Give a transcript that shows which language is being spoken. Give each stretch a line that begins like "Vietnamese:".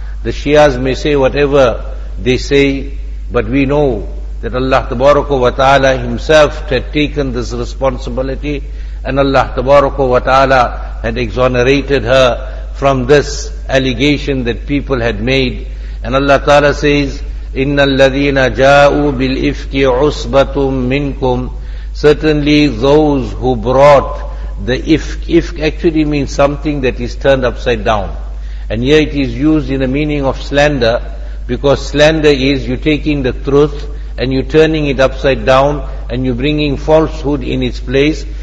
English: The Shias may say whatever they say, but we know that Allah tabaraka wa ta'ala himself had taken this responsibility, and Allah tabaraka wa ta'ala had exonerated her from this allegation that people had made. And Allah Ta'ala says,
Arabic: إِنَّ الَّذِينَ جَاءُوا بِالْإِفْكِ عُصْبَةٌ مِّنْكُمْ.
English: Certainly those who brought the ifk, ifk actually means something that is turned upside down. And here it is used in the meaning of slander, because slander is you taking the truth and you turning it upside down and you bringing falsehood in its place.